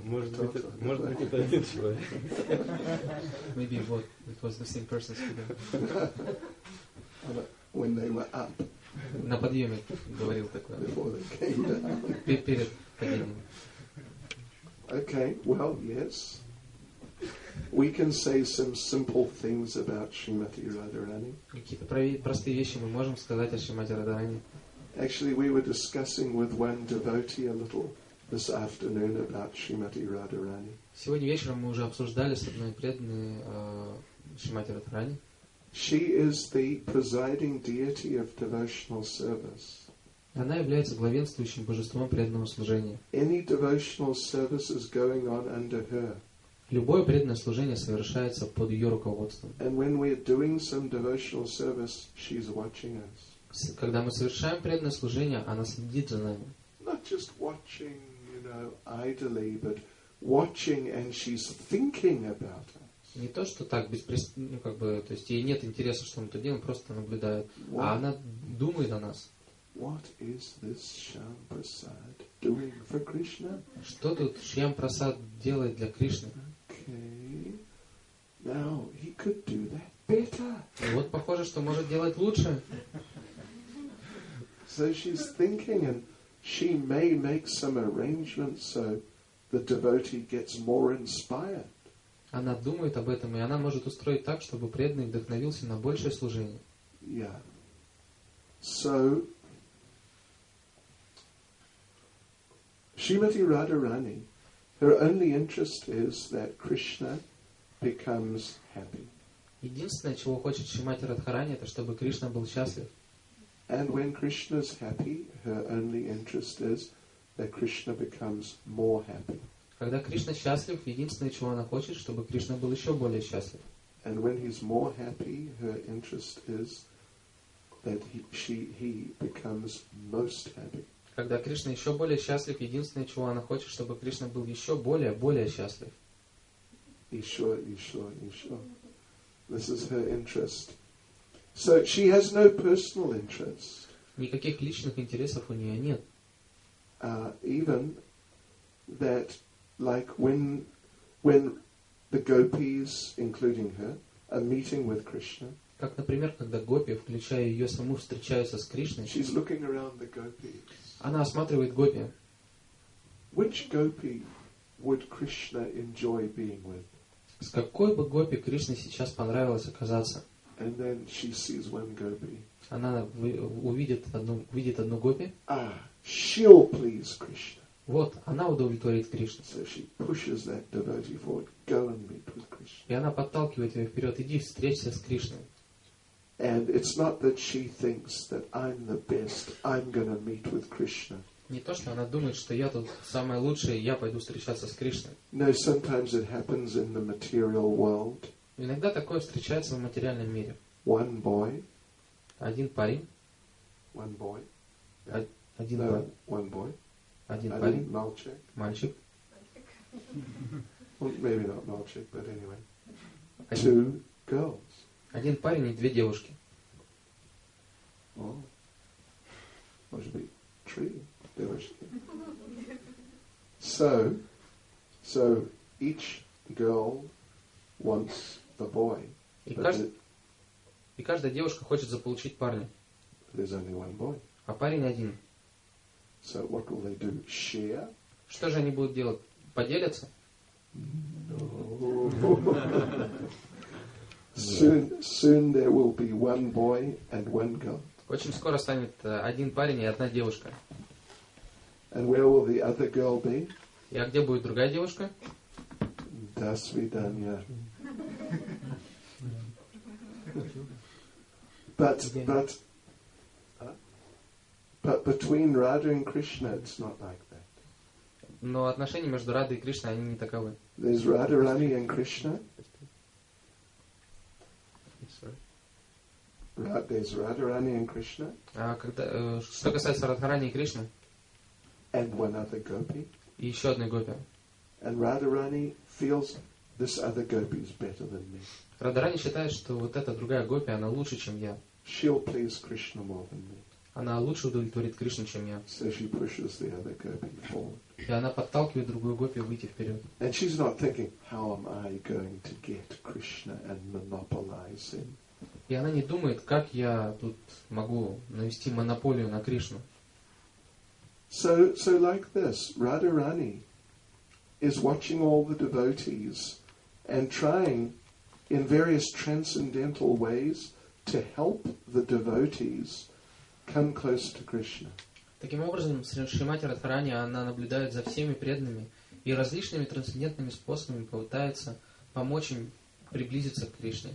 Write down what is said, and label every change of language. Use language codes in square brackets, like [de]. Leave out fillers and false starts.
[ru] Может быть, это один человек. [en] Maybe what? It was the same person speaking. When they were up. [ru] На подъеме говорил такое. [en] Before they came down. [ru] Перед подъемом. [en] Okay, well, yes. We can say some simple things about Shrimati Radharani. [ru] Какие-то простые вещи мы можем сказать о Шримати Радхарани. [en] Actually, we were discussing with one devotee a little this afternoon about Shrimati Radharani. [ru] Сегодня вечером мы уже обсуждали с одной преданной Шримати Радхарани. [en] She is the presiding deity of devotional service. [ru] Она является главенствующим божеством преданного служения. [en] Any devotional service is going on under her. [ru] Любое преданное служение совершается под ее руководством. [en] And when we are doing some devotional service, she's watching us. [ru] Когда мы совершаем преданное служение, она следит за нами. [en] Not just watching, you know, idly, but watching and she's thinking about us. [ru] Не то, что так беспрестанно, ну, как бы, то есть ей нет интереса, что мы тут делаем, просто наблюдает, а она думает о нас. [en] What is this Shyam Prasad doing for Krishna? [ru] Что тут Шьям Прасад делает для Кришны? [en] Okay. Now he could do that better. [ru] Вот похоже, что может делать лучше. [en] So she's thinking and she may make some arrangements so the devotee gets more inspired. [ru] Она думает об этом, и она может устроить так, чтобы преданный вдохновился на большее служение. [en] Yeah. So Shrimati Radharani, her only interest is that Krishna becomes happy. [ru] Единственное, чего хочет Шримати Радхарани, это чтобы Кришна был счастлив. [en] And when Krishna is happy, her only interest is that Krishna becomes more happy. [ru] Когда Кришна счастлив, единственное, чего она хочет, чтобы Кришна был еще более счастлив. [en] And when he's more happy, her interest is that he becomes most happy. [ru] Когда Кришна еще более счастлив, единственное, чего она хочет, чтобы Кришна был еще более счастлив. Еще. [en] This is her interest. So she has no personal interest. [ru] Никаких личных интересов у нее нет. [en] Even that, like when the gopis, including her, are meeting with Krishna. [ru] Как, например, когда гопи, включая ее саму, встречаются с Кришной. [en] She's looking around the gopis. [ru] Она осматривает гопи. [en] Which gopi would Krishna enjoy being with? [ru] С какой бы гопи Кришне сейчас понравилось оказаться? [en] And then she sees one gopi. [ru] Она увидит одну гопи. [en] Ah, she'll please Krishna. [ru] Вот, она удовлетворит Кришну. [en] So she pushes that devotee forward, go and meet with Krishna. [ru] И она подталкивает ее вперед, иди встреться с Кришной. [en] And it's not that she thinks that I'm the best, I'm gonna meet with Krishna. [ru] Не то, что она думает, что я тут самая лучшая, я пойду встречаться с Кришной. [en] No, sometimes it happens in the material world. [ru] Иногда такое встречается в материальном мире. [en] One boy. [ru] Один парень. [en] One boy. [ru] Один парень. [en] One boy. [ru] Один парень. Мальчик. Мальчик. [en] Well, maybe not [ru] мальчик, [en] but anyway. Two girls. [ru] Один парень и две девушки. Oh. Может быть, три девушки. [en] So each girl wants the boy. [ru] И каждая девушка хочет заполучить парня. [en] There's only one boy. [ru] А парень один. [en] So what will they do? Share? [ru] Что же они будут делать? Поделятся? [en] No. Soon there will be one boy and one girl. [ru] Очень скоро станет один парень и одна девушка. [en] And where will the other girl be? [ru] И а где будет другая девушка? До свидания. [en] But between Radha and Krishna, it's not like that. [ru] Но отношения между Радой и Кришной, они не таковы. [en] There's Radharani and Krishna. There's Radharani and Krishna. [ru] А когда, что касается Радхарани и Кришны? [en] And one other gopi. [ru] И еще одна гопи. [en] And Radharani feels this other gopi is better than me. [ru] Радхарани считает, что вот эта другая гопи, она лучше, чем я. [en] she'll please Krishna more than me. [ru] Она лучше удовлетворит Кришну, чем я. [en] So she pushes the other gopi forward. [ru] И она подталкивает другую гопи выйти вперед. [en] And she's not thinking, how am I going to get Krishna and monopolize him? [ru] И она не думает, как я тут могу навести монополию на Кришну. [en] So like this, Radharani is watching all the devotees and trying in various transcendental ways to help the devotees come close to Krishna. [ru] Таким образом, Шримати Радхарани, она наблюдает за всеми преданными и различными трансцендентными способами пытается помочь им приблизиться к Кришне.